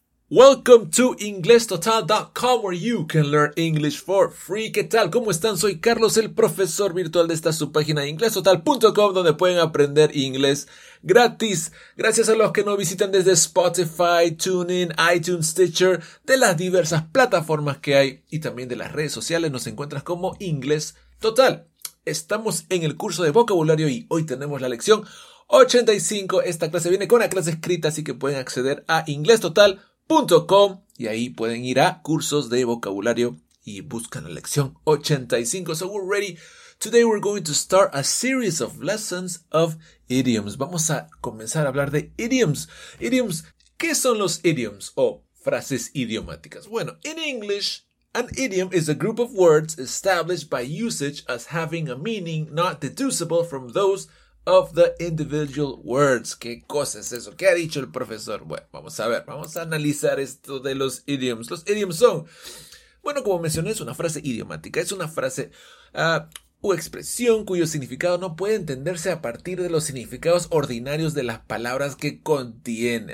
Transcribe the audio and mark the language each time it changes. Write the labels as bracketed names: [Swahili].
[English] Welcome to InglesTotal.com, where you can learn English for free. [Spanish] ¿Qué tal? ¿Cómo están? Soy Carlos, el profesor virtual de esta subpágina de InglesTotal.com, donde pueden aprender inglés gratis. Gracias a los que nos visitan desde Spotify, TuneIn, iTunes, Stitcher, de las diversas plataformas que hay y también de las redes sociales, nos encuentras como InglesTotal. Estamos en el curso de vocabulario y hoy tenemos la lección 85. Esta clase viene con una clase escrita, así que pueden acceder a InglesTotal.com. Y ahí pueden ir a cursos de vocabulario y buscan la lección 85. [English] So we're ready. Today we're going to start a series of lessons of idioms. [Spanish] Vamos a comenzar a hablar de idioms. Idioms, ¿qué son los idioms o frases idiomáticas? [English] Bueno, in English, an idiom is a group of words established by usage as having a meaning not deducible from those of the individual words. [Spanish] ¿Qué cosa es eso? ¿Qué ha dicho el profesor? Bueno, vamos a ver, vamos a analizar esto de los idioms. Los idioms son, bueno, como mencioné, es una frase idiomática. Es una frase u expresión cuyo significado no puede entenderse a partir de los significados ordinarios de las palabras que contiene.